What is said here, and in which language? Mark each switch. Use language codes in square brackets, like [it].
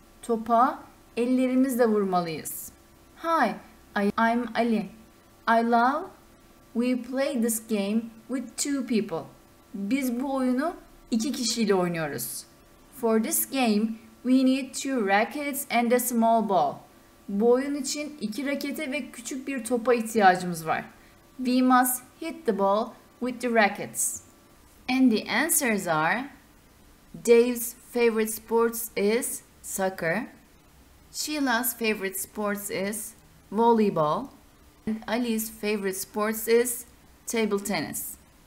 [tr] Topa ellerimizle vurmalıyız. [en] Hi, I'm Ali. I love... We play this game with 2 people. [tr] Biz bu oyunu 2 kişiyle oynuyoruz. [en] For this game, we need 2 rackets and a small ball. [tr] Bu oyun için 2 rakete ve küçük bir topa ihtiyacımız var. [en] We must hit the ball with the rackets. And the answers are, Dave's favorite sports is soccer, Sheila's favorite sports is volleyball, and Ali's favorite sports is table tennis.